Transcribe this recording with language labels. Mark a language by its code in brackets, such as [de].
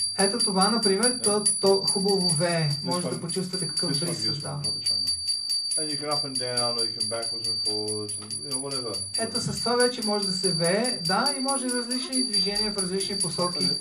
[bg] Ето това, например, то хубаво вее. Може да почувствате какъв бриз създава. [en] And you can up and down, or you can backwards and forwards, and, you know, whatever. [bg] Ето с това вече може да се вее, да, и може различни движения в различни посоки.